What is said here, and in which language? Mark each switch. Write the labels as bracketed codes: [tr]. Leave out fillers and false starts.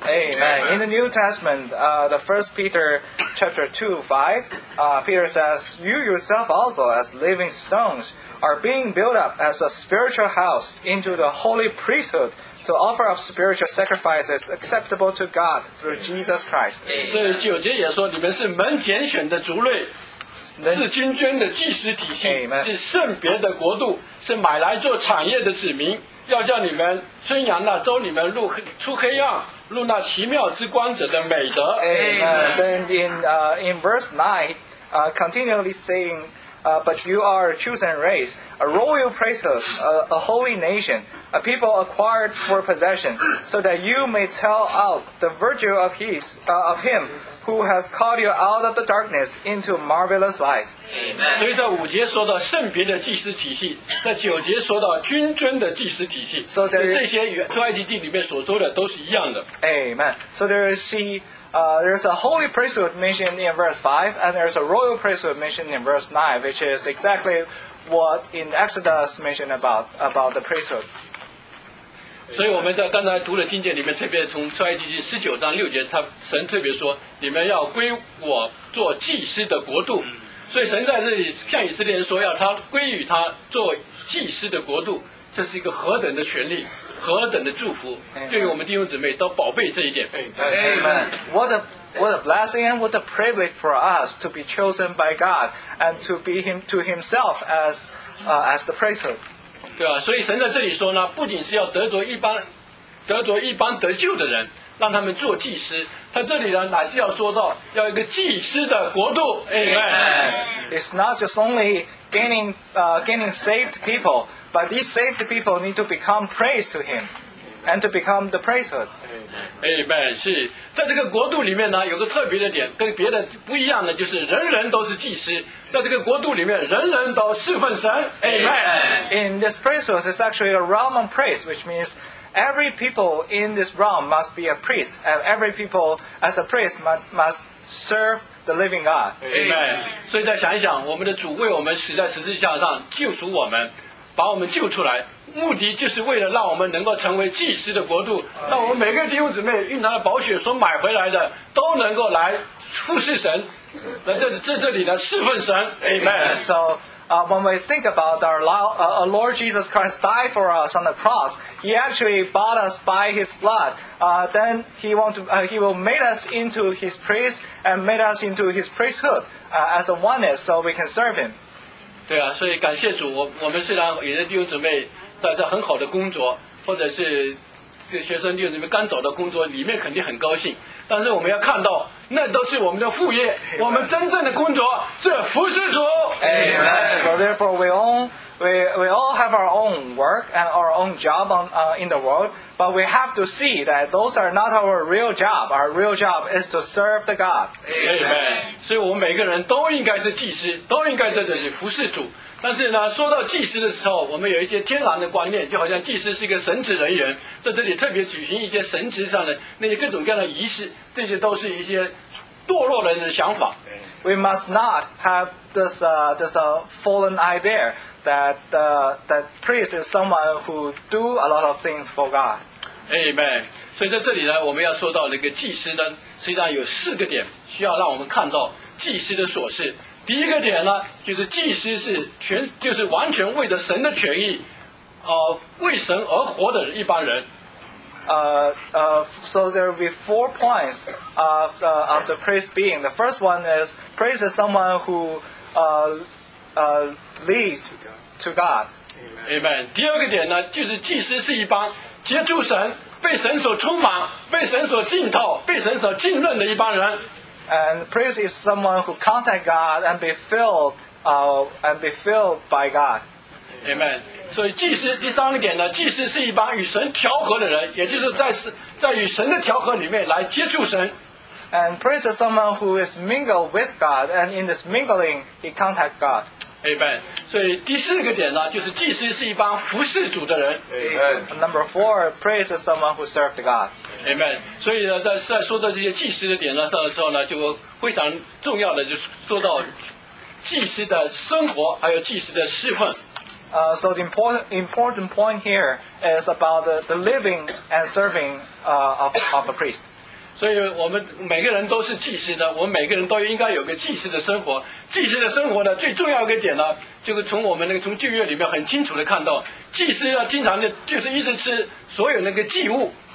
[en] Amen. In the New Testament, the First Peter chapter 2:5, Peter says, "You yourself also, as living stones, are being built up as a spiritual house into the holy priesthood. To offer up spiritual sacrifices acceptable to God through Jesus Christ." [zh] 所以九节也说，你们是蒙拣选的族类，是君尊的祭司体系，是圣别的国度，是买来做产业的子民，要叫你们宣扬那招你们出黑暗入那奇妙之光者的美德。 [en] Amen. Then in verse 9, continually saying,but you are a chosen race, a royal priesthood, a holy nation, a people acquired for possession, so that you may tell out the virtue of him who has called you out of the darkness into marvelous light. Amen. [zh] 所以在五节说到圣别的祭司体系，在九节说到君尊的祭司体系，所以这些出埃及记里面所说的都是一样的。 [en] Amen. So there is see. There's a holy priesthood mentioned in verse 5, and there's a royal priesthood mentioned in verse 9, which is exactly what in Exodus mentioned about the priesthood. [zh] 所以我们在刚才读的经节里面，特别从出埃及记19:6，他神特别说，你们要归我做祭司的国度。所以神在这里向以色列人说，要他归于他做祭司的国度，这是一个何等的权利。何等的祝福，对于我们弟兄姊妹都宝贝这一点。 [en] Amen. What a blessing and what a privilege for us to be chosen by God and to be him to himself as the priesthood. [zh] 对啊，所以神在这里说呢，不仅是要得着一帮得救的人，让他们做祭司。他这里呢，乃是要说到要一个祭司的国度。 [en] Amen. It's not just only gaining saved people, but these saved people need to become priests to him and to become the priesthood. Amen. [zh] 是在这个国度里面呢，有个特别的点，跟别的不一样的就是人人都是祭司。在这个国度里面，人人都侍奉神。 [en] Amen. In this priesthood, it's actually a realm of priests, which means. Every people in this realm must be a priest, and every people as a priest must serve the living God. Amen. [zh] 所以再想一想，我们的主为我们死在十字架上，救赎我们，把我们救出来，目的就是为了让我们能够成为祭司的国度，让我们每个弟兄姊妹用他的宝血所买回来的，都能够来服侍神，在这里呢侍奉神。 [en] Amen. So. When we think about our Lord Jesus Christ died for us on the cross, He actually bought us by His blood. Then He will make us into His priest and made us into His priesthood as a oneness, so we can serve Him. [zh] 对啊，所以感谢主，我们虽然有些弟兄姊妹在很好的工作，或者是学生弟兄姊妹刚找到工作，里面肯定很高兴，但是我们要看到。那都是我们的副业，我们真正的工作是服侍主。 [en] Amen. So therefore, we all have our own work and our own job in the world, but we have to see that those are not our real job. Our real job is to serve the God. Amen. [zh] 所以我们每个人都应该是祭司，都应该在这里服侍主。但是呢，说到祭司的时候，我们有一些天然的观念，就好像祭司是一个神职人员，在这里特别举行一些神职上的那些各种各样的仪式，这些都是一些堕落人的想法。 [en] We must not have this fallen idea that priest is someone who do a lot of things for God. Amen. [zh] 所以在这里呢，我们要说到那个祭司呢，实际上有四个点需要让我们看到祭司的琐事。第一个点呢，就是祭司是全，就是完全为着神的权益，为神而活的一般人。 [en] So there will be four points of the priest being. The first one is priest is someone who leads to God. Amen. [zh] 第二个点呢，就是祭司是一般接触神、被神所充满、被神所浸透、被神所浸润的一般人。 [en] And priest is someone who contact God and be filled by God. Amen. [zh] 所以祭司第三个点呢，祭司是一帮与神调和的人，也就是在与神的调和里面来接触神。 [en] And priest is someone who is mingled with God, and in this mingling, he contact God. Amen. [zh] 所以第四个点呢，就是祭司是一帮服侍主的人。 [en] Amen. Number four, priest is someone who served God. Amen. [zh] 所以呢，在说到这些祭司的点上的时候呢，就非常重要的就是说到祭司的生活，还有祭司的侍奉。 [en] So the important point here is about the living and serving of the priest. [zh] 所以我们每个人都是祭司的，我们每个人都应该有个祭司的生活。祭司的生活呢，最重要一个点呢，就是从我们那个从旧约里面很清楚的看到，祭司啊，经常的就是一直吃所有那个祭物。